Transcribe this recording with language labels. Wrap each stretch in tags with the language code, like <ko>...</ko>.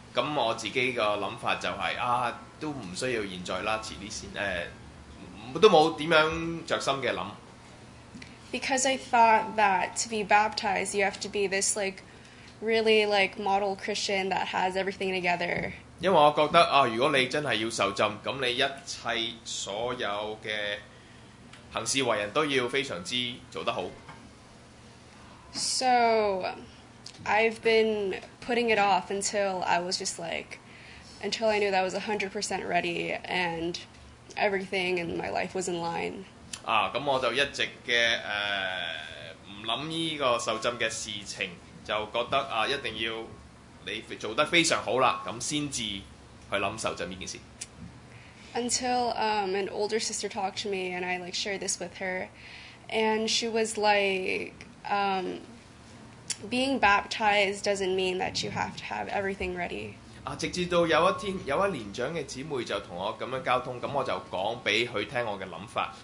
<yue>咁我自己個諗法就係、都唔需要現在啦，遲啲先都冇點樣著心嘅諗。</yue> <en>Because I thought that to be baptized, you have to be this like really like model Christian that has everything together.</en> <yue>因為我覺得如果你真係要受浸，咁你一切所有嘅行事為人都要非常之做得好。</yue> <en>So. I've been putting it off until I was just like, until I knew that I was 100% ready and everything in my life was in line.</en> <yue>咁我就一直嘅唔諗呢個受浸嘅事情，就覺得一定要你做得非常好啦，咁先至去諗受浸呢件事。</yue> <en>Until an older sister talked to me and I like shared this with her, and she was like, Being baptized doesn't mean that you have to have everything ready.</en> <yue>直至到有一天，有一年長嘅姊妹就同我咁樣交通，咁我就講俾佢聽我嘅諗法。</yue>